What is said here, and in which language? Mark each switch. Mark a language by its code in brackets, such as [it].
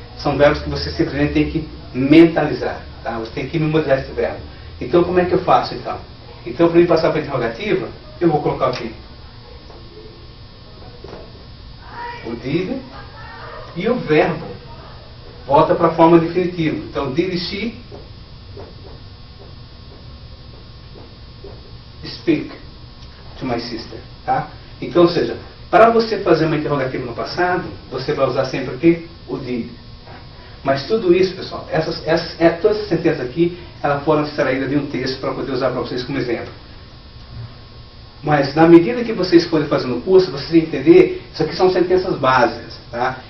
[pt] São verbos que você simplesmente tem que mentalizar. Tá? Você tem que memorizar esse verbo. Então, como é que eu faço, então? Então, para eu passar para a interrogativa, eu vou colocar aqui o did, e o verbo volta para a forma definitiva. Então, [en] did she speak to my sister? [pt] Tá? Então, ou seja, para você fazer uma interrogativa no passado, você vai usar sempre o quê? O did. Mas tudo isso, pessoal, toda essa sentença aqui, ela pode ser extraída de um texto para poder usar para vocês como exemplo. Mas na medida que vocês forem fazendo o curso, vocês vão entender, isso aqui são sentenças básicas, tá?